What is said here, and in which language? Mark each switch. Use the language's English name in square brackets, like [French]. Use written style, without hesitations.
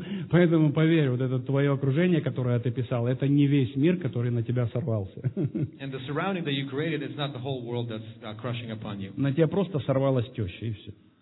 [Russian] Поэтому поверь, вот это твое окружение, которое ты писал, это не весь мир, который на тебя сорвался. [English] And the surrounding that you created is not the whole world that's crushing upon you. [Russian] На тебя просто сорвалась теща, и все.